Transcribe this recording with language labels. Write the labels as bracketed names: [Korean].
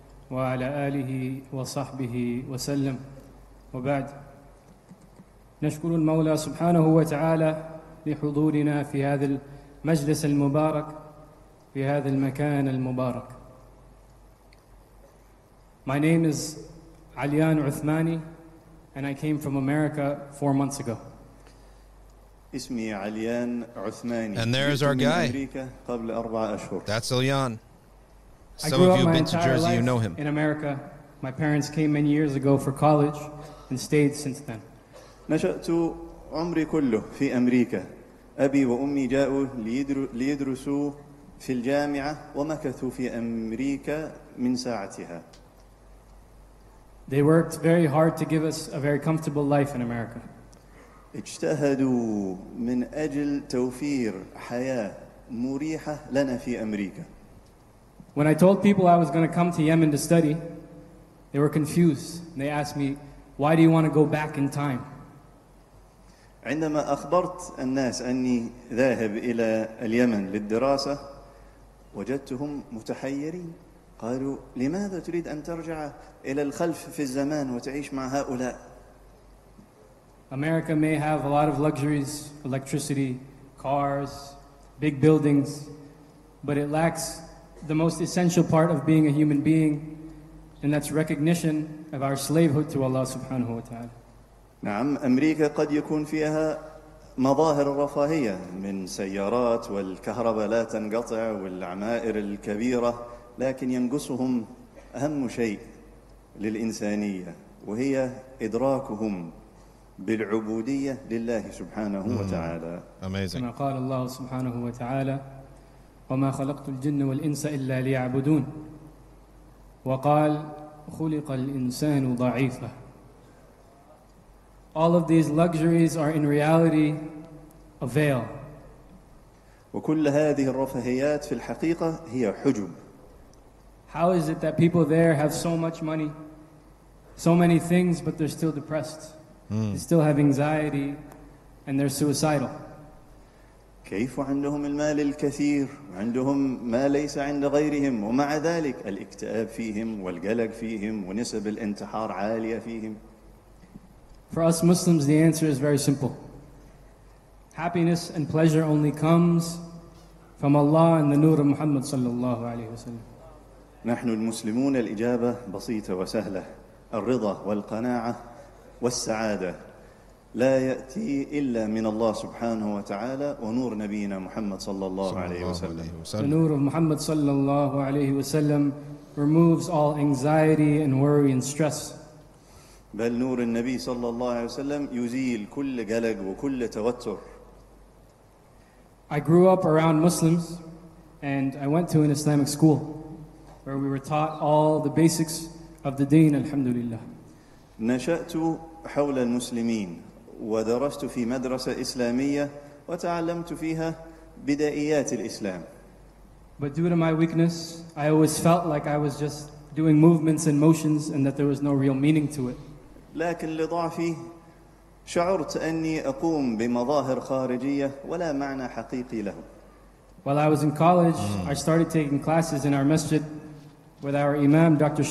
[Arabic] وعلى آله وصحبه وسلم وبعد نشكر المولى سبحانه وتعالى لحضورنا في هذا المجلس المبارك في هذا المكان المبارك. [English] My name is Alian Uthmani and I came from America 4 months ago. [Arabic] اسمي Alian Uthmani. [English] And there is our guy. [Arabic] قبل أربع أشهر. [English] That's Alian. Some of you have been to Jersey, you know him. In America, my parents came many years ago for college and stayed since then. [Arabic] نشأت عمري كله في أمريكا. أبي وأمي جاءوا ليدرسوا في الجامعة ومكثوا في أمريكا من ساعتها. [English] They worked very hard to give us a very comfortable life in America. [Arabic] اجتهدوا من أجل توفير حياة مريحة لنا في أمريكا. [English] When I told people I was going to come to Yemen to study, they were confused. They asked me, why do you want to go back in time? [Arabic] عندما أخبرت الناس أني ذاهب إلى اليمن للدراسة, وجدتهم متحيرين. قالوا, لماذا تريد أن ترجع إلى الخلف في الزمان وتعيش مع هؤلاء? [English] America may have a lot of luxuries, electricity, cars, big buildings, but it lacks the most essential part of being a human being, and that's recognition of our slavehood to Allah subhanahu wa ta'ala. [Arabic] نعم أمريكا قد يكون فيها مظاهر رفاهية من سيارات والكهرباء لا تنقطع والعمائر الكبيرة لكن ينقصهم أهم شيء للإنسانية وهي إدراكهم بالعبودية لله سبحانه وتعالى [English] Amazing. [Arabic] كما قال الله سبحانه وتعالى وما خلقت الجن والإنس إلا ليعبدون وقال خلق الإنسان ضعيفا [English] All of these luxuries are in reality a veil. [Arabic] وكل هذه الرفاهيات في الحقيقة هي حجب. [English] How is it that people there have so much money, so many things, but they're still depressed? Mm. They still have anxiety and they're suicidal. [Arabic] كيف عندهم المال الكثير وعندهم ما ليس عند غيرهم ومع ذلك الاكتئاب فيهم والقلق فيهم ونسب الانتحار عالية فيهم؟ [English] For us Muslims, the answer is very simple. Happiness and pleasure only comes from Allah and the Nur of Muhammad sallallahu alayhi wa sallam. [Arabic] نحن المسلمون الإجابة بسيطة وسهلة. الرضا والقناعة والسعادة لا يأتي إلا من الله سبحانه وتعالى ونور نبينا محمد صلى الله عليه وسلم. [English] The Nur of Muhammad sallallahu alayhi wa sallam removes all anxiety and worry and stress. [Arabic] بل نور النبي صلى الله عليه وسلم يزيل كل قلق وكل توتر. [English] I grew up around Muslims and I went to an Islamic school where we were taught all the basics of the deen, alhamdulillah. [Arabic] نشأت حول المسلمين ودرست في مدرسة إسلامية وتعلمت فيها بدائيات الإسلام. [English] But due to my weakness, I always felt like I was just doing movements and motions and that there was no real meaning to it. [Arabic] لكن لضعفي شعرت أني أقوم بمظاهر خارجية ولا معنى حقيقي له. [English] While I was in college, I started taking classes in our masjid with our Imam Dr.